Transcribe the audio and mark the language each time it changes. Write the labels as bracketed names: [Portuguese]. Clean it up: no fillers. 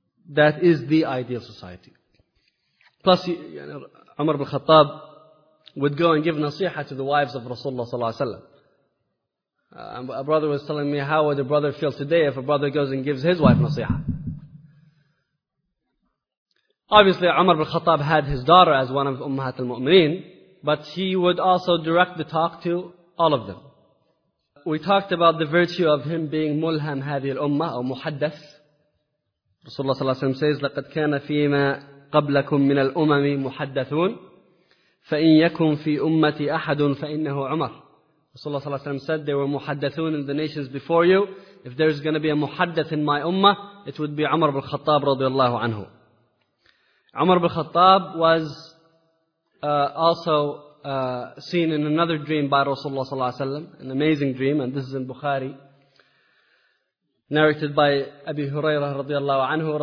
[English] That is the ideal society. Plus, Umar ibn Khattab would go and give nasiha to the wives of Rasulullah sallallahu alaihi wasallam. A brother was telling me, how would a brother feel today if a brother goes and gives his wife nasiha? Obviously, Umar ibn Khattab had his daughter as one of Ummahat al-Mu'mineen, but he would also direct the talk to all of them. We talked about the virtue of him being mulham hadhi al-ummah, or muhaddath. [Arabic] Rasulullah sallallahu alaihi wasallam [English] says, [Arabic] لَقَدْ كَانَ فِيمَا قَبْلَكُمْ مِنَ الْأُمَمِ مُحَدَّثُونَ فَإِنْ يَكُمْ فِي أُمَّتِ أَحَدٌ فَإِنَّهُ عُمَرُ. [English] Rasulullah sallallahu alaihi wasallam said, there were muhaddathun in the nations before you. If there is going to be a muhaddath in my ummah, it would be Umar ibn Khattab radiallahu anhu. Umar ibn Khattab was also seen in another dream by Rasulullah sallallahu alaihi wasallam, an amazing dream, and this is in Bukhari, narrated by Abi Hurairah radiallahu anhu.